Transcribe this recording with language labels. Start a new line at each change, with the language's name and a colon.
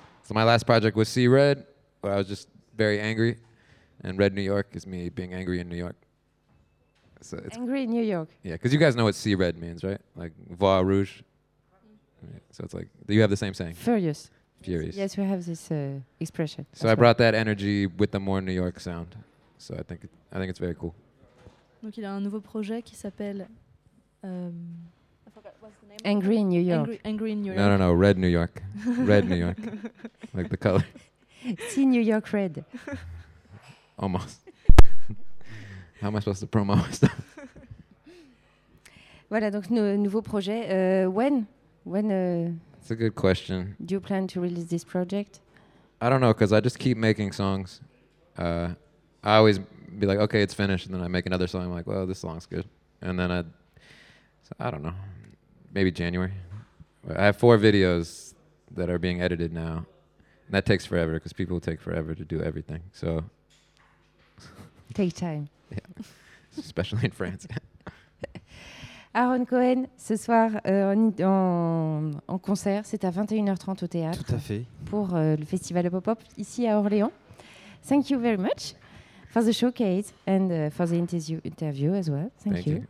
English: So my last project was See Red, where I was just very angry, and Red New York is me being angry in New York. So it's angry in New York. Yeah, because you guys know what sea red means, right? Like
French: voir rouge.
English: So it's like, do you have the same saying? Furious. Furious. Yes, we have this expression. So I brought that energy with the more New York sound. So I think it's very cool.
French: Donc il a un nouveau projet qui s'appelle
English: Angry in New York. Angry in New York. No, Red New York. Red New York. Like the color. See New York red. Almost. How am I supposed to promo stuff?
French: Voilà, donc nouveau projet.
English: When? It's a good question. Do you plan to release this project? I don't know, because I just keep making songs. I always be like, okay, it's finished. And then I make another song. I'm like, well, this song's good. And then I don't know. Maybe January. I have 4 videos that are being edited now. And that takes forever, because people take forever to do everything. So take time. Yeah. Especially in France.
French: Aaron Cohen, ce soir en concert, c'est à 21h30 au théâtre. Tout à fait. Pour le festival Pop-Up ici à Orléans.
English: Thank you very much for the showcase and for the interview as well. Thank you.